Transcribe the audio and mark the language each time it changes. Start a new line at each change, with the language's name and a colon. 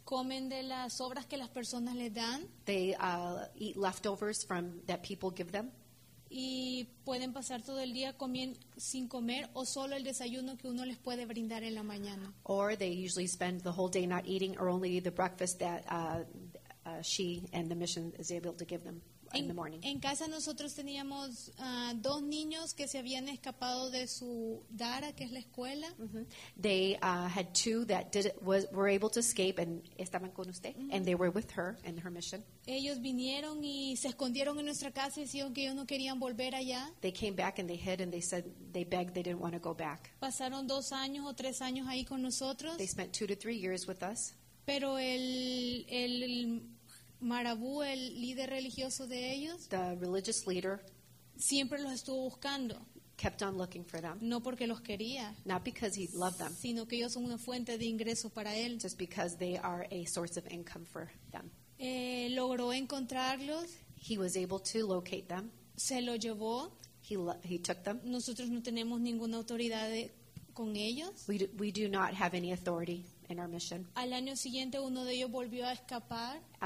Spanish: Comen de las sobras que las personas les dan.
English: They eat leftovers from that people give them.
Spanish: Y pueden pasar todo el día sin comer o solo el desayuno que uno les puede brindar en la mañana.
English: Or they usually spend the whole day not eating or only the breakfast that she and the mission is able to give them in the morning.
Spanish: En casa nosotros teníamos dos niños que se habían escapado de su dara, que es la escuela. Mm-hmm.
English: They had two that were able to escape and
Spanish: estaban con usted.
English: Mm-hmm. And they were with her in her mission.
Spanish: Ellos vinieron y se escondieron en nuestra casa y dijeron que ellos no querían volver allá.
English: They came back and they hid and they said they begged they didn't want to go back.
Spanish: Pasaron dos años o tres años ahí con nosotros.
English: They spent 2 to 3 years with us.
Spanish: Pero el Marabú, el líder religioso de ellos,
English: the religious leader,
Spanish: siempre los estuvo buscando.
English: Kept on looking for them.
Spanish: No porque los quería.
English: Not because he loved them.
Spanish: Sino que ellos son una fuente de ingreso para él.
English: Just because they are a source of income for them.
Spanish: Logró encontrarlos.
English: He was able to locate them.
Spanish: Se lo llevó.
English: He took them.
Spanish: Nosotros no tenemos ninguna autoridad con ellos.
English: We do not have any authority in our mission.
Spanish: Al año siguiente uno de ellos volvió a escapar.